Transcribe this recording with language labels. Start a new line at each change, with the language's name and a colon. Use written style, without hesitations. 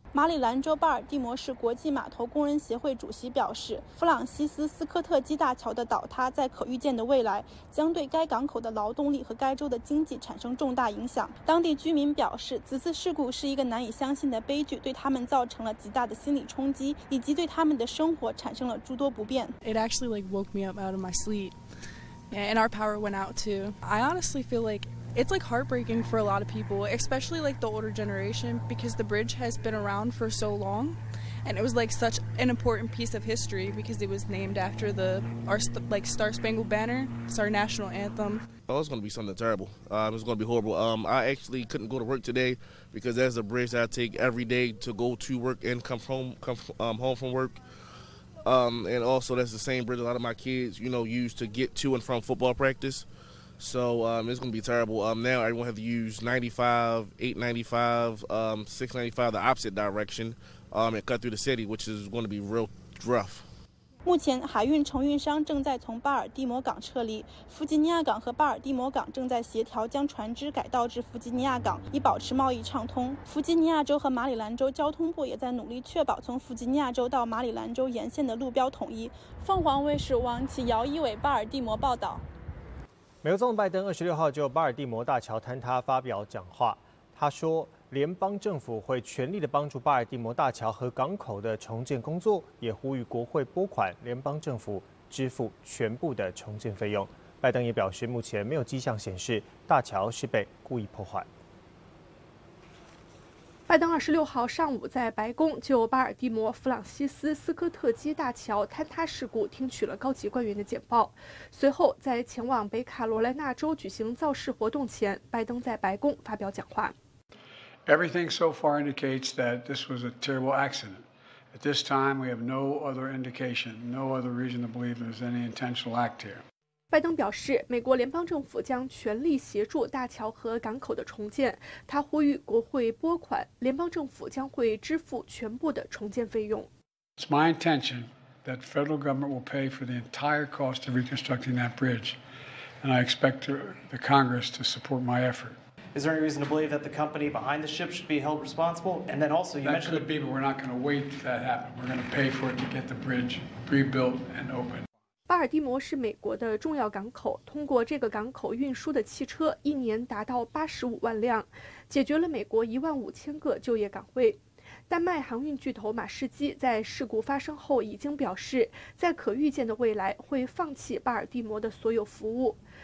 Chinese: 马里兰州巴尔的摩市国际码头工人协会主席表示，弗朗西斯斯科特基大桥的倒塌在可预见的未来将对该港口的劳动力和该州的经济产生重大影响。当地居民表示，此次事故是一个难以相信的悲剧，对他们造成了极大的心理冲击，以及对他们的生活产生了诸多不便。
English: It actually like woke me up out of my sleep, and our power went out too. I honestly feel like. It's like heartbreaking for a lot of people, especially like the older generation, because the bridge has been around for so long, and it was like such an important piece of history because it was named after our Star Spangled Banner. It's our national anthem. Oh, it's going to be something terrible. It's going to be horrible. I actually couldn't go to work today because that's a bridge that I take every day to go to work and come home from work. And also that's the same bridge a lot of my kids, you know, use to get to and from football practice. So it's going to be terrible. Now everyone has to use 95, 895, 695, the opposite direction, and cut through the city, which is going to be real rough.
Chinese: 目前海运承运商正在从巴尔的摩港撤离，弗吉尼亚港和巴尔的摩港正在协调将船只改道至弗吉尼亚港，以保持贸易畅通。弗吉尼亚州和马里兰州交通部也在努力确保从弗吉尼亚州到马里兰州沿线的路标统一。凤凰卫视王琦、姚一伟，巴尔的摩报道。美国总统拜登26号就巴尔的摩大桥坍塌发表讲话，他说联邦政府会全力的帮助巴尔的摩大桥和港口的重建工作，也呼吁国会拨款联邦政府支付全部的重建费用。拜登也表示，目前没有迹象显示大桥是被故意破坏。拜登26号上午在白宫就巴尔的摩弗朗西斯斯科特基大桥坍塌事故听取了高级官员的简报，随后在前往北卡罗来纳州举行造势活动前，拜登在白宫发表讲话。
English: Everything so far indicates that this was a terrible accident. At this time, we have no other indication, no other reason to believe there's any intentional act here.
Chinese: 拜登表示，美国联邦政府将全力协助大桥和港口的重建。他呼吁国会拨款，联邦政府将会支付全部的重建费用。
English: It's my intention that federal government will pay for the entire cost of reconstructing that bridge, and I expect the Congress to support my effort. Is there any reason to believe that the company behind the ship should be held responsible? And then also, you mentioned that could be, but we're not going to wait for that to happen. We're going to pay for it to get the bridge rebuilt and open.
Chinese: 巴尔的摩是美国的重要港口，通过这个港口运输的汽车一年达到85万辆，解决了美国15000个就业岗位。丹麦航运巨头马士基在事故发生后已经表示，在可预见的未来会放弃巴尔的摩的所有服务。